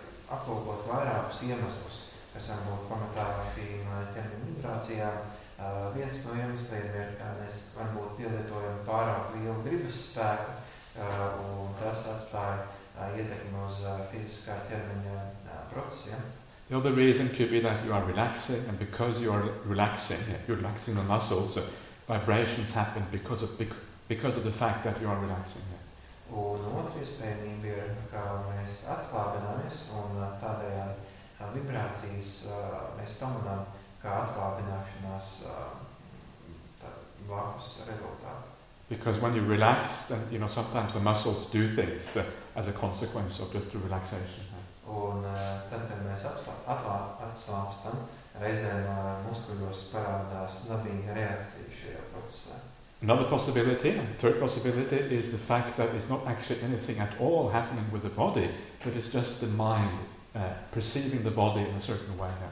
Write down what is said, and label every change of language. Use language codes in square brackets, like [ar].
[lv] Aplūkot vairākus iemeslus, kas varbūt pamatā šīm ķermeņa vibrācijām, viens no iemesliem ir, ka mēs varbūt pielietojam pārāk lielu gribas spēku, un tas atstāja ietekmi uz fiziskā ķermeņa procesiem. [en] The other reason could be that you are relaxing, and because you are relaxing, you're relaxing the muscles, so vibrations happen because of the fact that you are relaxing. [lv] Un otra iespējamība ir, ka mēs atslābināmies un tādējādi vibrācijas mēs pamanām, kā atslābināšanās blakus rezultāti. [en] Because when you relax, then, you know, sometimes the muscles do things as a consequence of just the relaxation. [lv] Un tad, kad mēs atslābstam, reizēm muskuļos parādās nabīga reakcija šajā procesā. [en] Another possibility, and third possibility, is the fact that it's not actually anything at all happening with the body, but it's just the mind perceiving the body in a certain way.